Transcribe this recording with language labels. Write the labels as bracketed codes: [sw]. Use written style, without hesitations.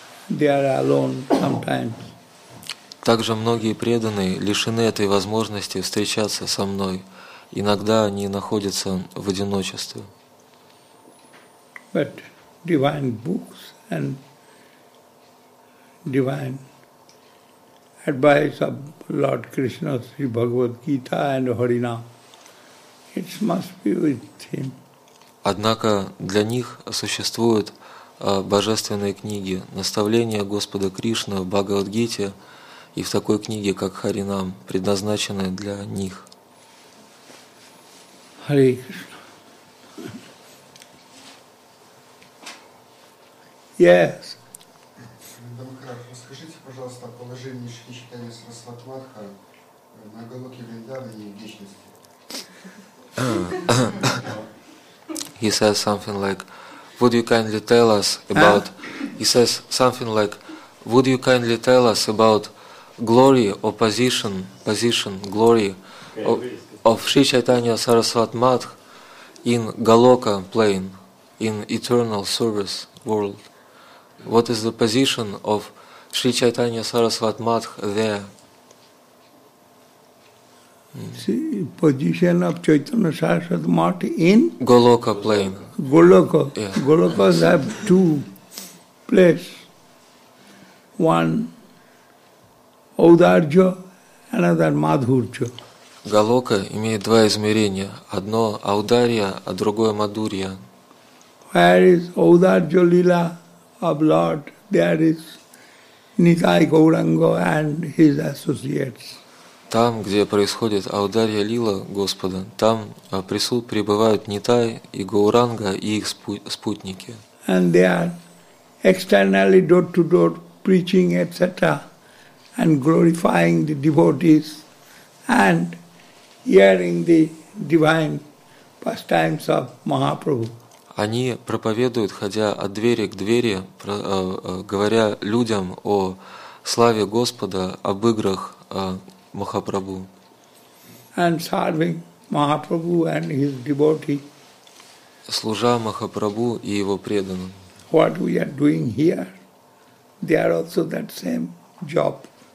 [en] They are alone sometimes. [ru] Также многие преданные лишены этой возможности встречаться со мной. Иногда они находятся в одиночестве. [en] But divine books and divine advice of Lord Krishna, Sri Bhagavad Gita and Harinam, it must be with him. [ru] Однако для них существуют божественные книги, наставления Господа Кришны в Бхагавад-гите и в такой книге, как Харинам, предназначенной для них. [en] Hare Krishna. Yes. [ru] Дамакрад, расскажите, пожалуйста, о положении Шри Чайтаньи Сарасвати Матха на Голоке Вриндаване и вечности. [en] He says something like, would you kindly tell us about... He says something like, would you kindly tell us about glory or position, glory of Sri Chaitanya Sarasvat Math in Galoka plane, in eternal service world. What is the position of Sri Chaitanya Sarasvat Math there? See, position of Chaitanya Sarasvat Math in Galoka plane. Galoka. Yeah. Galokas have two places. One Audarjo, another Madhurjo. [ru] Галока имеет два измерения. Одно Аударья, а другое Мадурья. [en] Where is Audarjo Lila of Lord? There is Nitai Gauranga and his associates. [ru] Там, где происходит Аударья Лила Господа, там пребывают Нитай и Гауранга и их спутники. [en] And they are externally door-to-door preaching, etc. And glorifying the devotees and hearing the divine pastimes of Mahaprabhu. [ru] Они проповедуют, ходя от двери к двери, говоря людям о славе Господа, об играх Махапрабху. [en] and serving Mahaprabhu and his devotee. [ru] Служа Махапрабху и его преданным. [en] What we are doing here, they are also that same job.